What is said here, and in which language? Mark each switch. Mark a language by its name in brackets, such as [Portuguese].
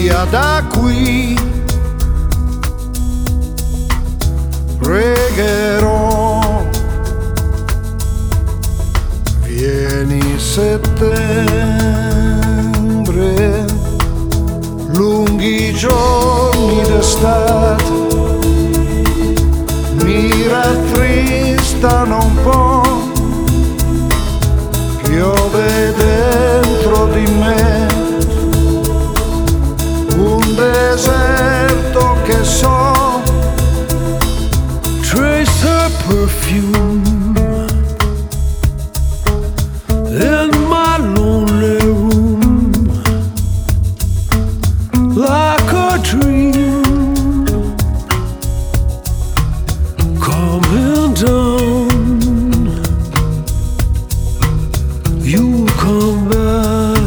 [Italian] Da qui pregherò, vieni settembre, lunghi giorni d'estate mi rattristano un po', piove dentro di me. Deserto che so, [English] trace her perfume in my lonely room, like a dream coming down. You come back